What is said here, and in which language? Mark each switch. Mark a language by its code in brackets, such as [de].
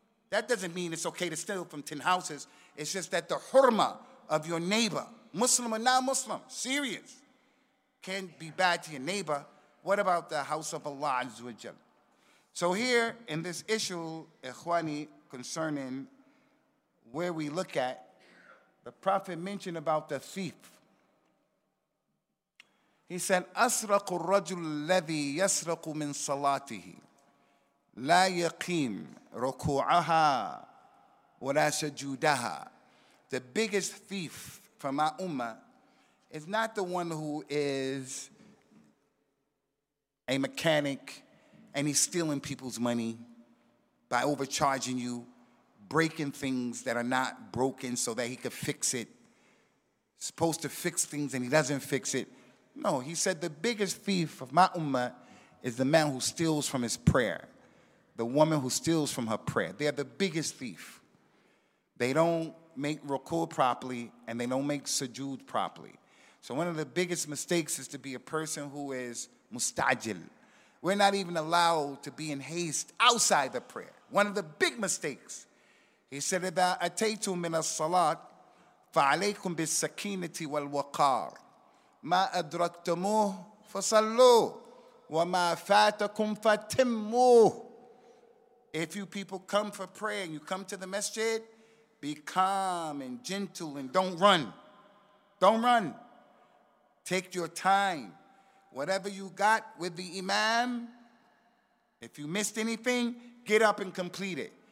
[en] That doesn't mean it's okay to steal from 10 houses. It's just that the hurma of your neighbor, Muslim or non-Muslim, serious, can be bad to your neighbor. What about the house of Allah Azza wa Jal? So here in this issue, Ikhwani, concerning where we look at, the Prophet mentioned about the thief. He said, [ar] أَسْرَقُ الرَّجُلُ الَّذِي يَسْرَقُ مِنْ صَلَاتِهِ لا يقيم ركوعها ولا سجودها. [en] The biggest thief from my ummah is not the one who is a mechanic and he's stealing people's money by overcharging you, breaking things that are not broken so that he could fix it. He's supposed to fix things and he doesn't fix it. No, he said the biggest thief of my ummah is the man who steals from his prayer. The woman who steals from her prayer. They are the biggest thief. They don't make ruku' properly and they don't make sujood properly. So one of the biggest mistakes is to be a person who is mustajil. We're not even allowed to be in haste outside the prayer. One of the big mistakes. He said, [ar] إذا أتيتم من الصلاة فعليكم بالسكينة والوقار ما أدركتموه فصلوا وما فاتكم فتموه. [en] If you people come for prayer and you come to the masjid, be calm and gentle and don't run. Don't run. Take your time. Whatever you got with the imam, if you missed anything, get up and complete it.